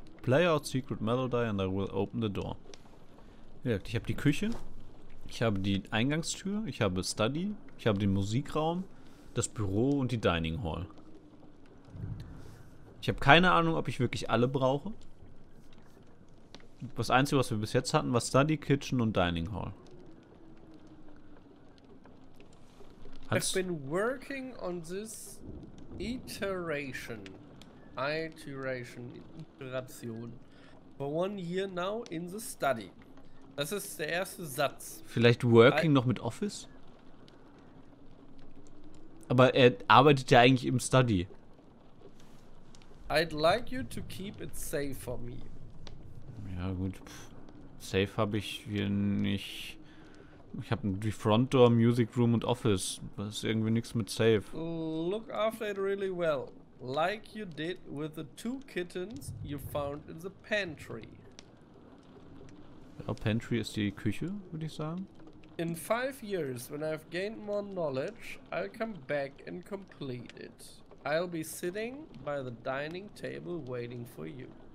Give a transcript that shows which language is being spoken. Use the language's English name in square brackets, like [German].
[English] Play out secret melody and I will open the door. [German] Ja, ich habe die Küche, ich habe die Eingangstür, ich habe Study, ich habe den Musikraum, das Büro und die Dining Hall. Ich habe keine Ahnung, ob ich wirklich alle brauche. Das Einzige, was wir bis jetzt hatten, war Study, Kitchen und Dining Hall. [English] I've been working on this iteration for 1 year now in the study. [German] Das ist der erste Satz. Vielleicht working noch mit Office? Aber er arbeitet ja eigentlich im Study. [English] I'd like you to keep it safe for me. [German] Ja gut, safe habe ich hier nicht. Ich habe die Front Door, Music Room und Office. Das ist irgendwie nichts mit safe. [English] Look after it really well. Like you did with the 2 kittens you found in the pantry. [German] Ja, pantry ist die Küche, würde ich sagen. [English] In 5 years, when I've gained more knowledge, I'll come back and complete it. I'll be sitting by the dining table waiting for you.